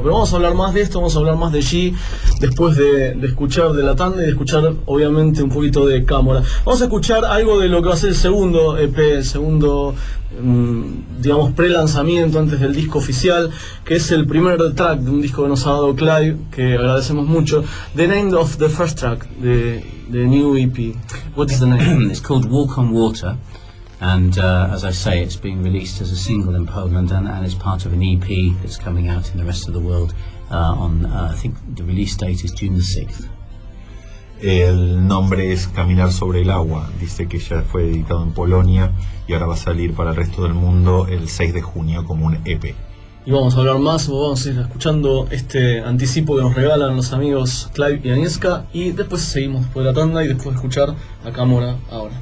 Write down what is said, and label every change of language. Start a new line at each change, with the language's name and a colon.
Spanish: Pero vamos a hablar más de esto, vamos a hablar más de G después de escuchar de la tanda y de escuchar obviamente un poquito de Cámara. Vamos a escuchar algo de lo que va a ser el segundo EP, el segundo, digamos, pre-lanzamiento antes del disco oficial, que es el primer track de un disco que nos ha dado Clive, que agradecemos mucho.
English: The name of the first track, the new EP. What is the name? It's called Walk on Water. And as I say, it's being released as a single in Poland, and it's part of an EP that's coming out in the rest of the world I think the release date is June the 6th.
Spanish: El nombre es Caminar sobre el agua. Dice que ya fue editado en Polonia y ahora va a salir para el resto del mundo el 6 de junio como un EP. Y vamos a hablar más, vamos a ir escuchando este anticipo que nos regalan los amigos Clive y Agnieszka, y después seguimos después de la tanda y después de escuchar a Cámara ahora.